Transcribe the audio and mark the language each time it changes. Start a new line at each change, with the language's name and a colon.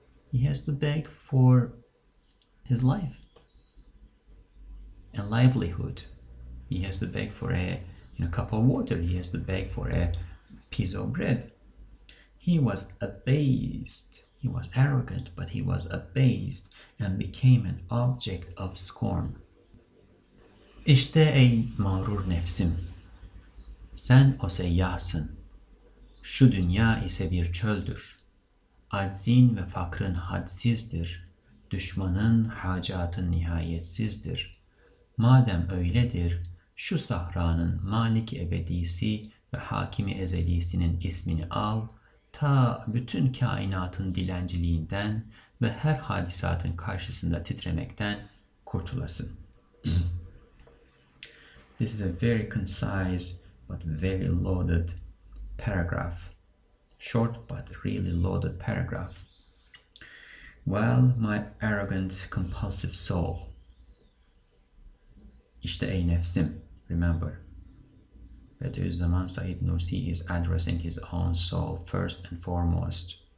English: He has to beg for his life and livelihood. He has to beg for a cup of water. He has to beg for a piece of bread. He was abased. He was arrogant, but he was abased and became an object of scorn.
Turkish: İşte ey mağrur nefsim, sen o seyyahsın. Şu dünya ise bir çöldür. Aczin ve fakrın hadsizdir. Düşmanın hacatın nihayetsizdir. Madem öyledir, şu sahranın malik ebedisi ve hakimi ezelisinin ismini al, ta bütün kainatın dilenciliğinden ve her hadisatın karşısında titremekten kurtulasın.
English: This is a very concise but very loaded paragraph. Short but really loaded paragraph. Well, my arrogant, compulsive soul.
Turkish: İşte ey nefsim,
English: remember. Bediüzzaman Said Nursi is addressing his own soul first and foremost.